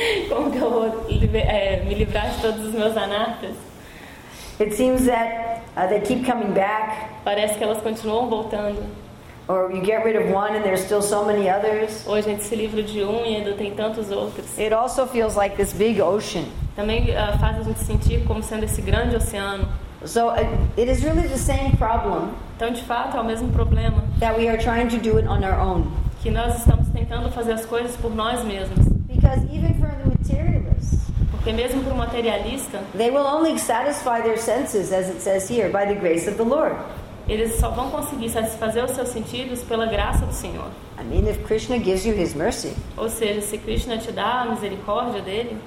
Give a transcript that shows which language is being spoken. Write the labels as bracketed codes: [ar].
[pt] Como que eu vou me livrar de todos os meus anartas? [en] It seems that they keep coming back. [pt] Parece que elas continuam voltando. [en] Or you get rid of one and there's still so many others. [pt] Ou a gente se livra de um e ainda tem tantos outros. [en] It also feels like this big ocean. [pt] Também faz a gente sentir como sendo esse grande oceano. [en] So it is really the same problem. [pt] Então, de fato, é o mesmo problema. [en] That we are trying to do it on our own. [pt] Que nós estamos tentando fazer as coisas por nós mesmos. [en] Because even for the materialists, [pt] porque mesmo para o materialista, [en] they will only satisfy their senses, as it says here, by the grace of the Lord. [pt] Eles só vão conseguir satisfazer os seus sentidos pela graça do Senhor. [en] I mean, if Krishna gives you his mercy, [pt] ou seja, se Krishna te dá a misericórdia dele,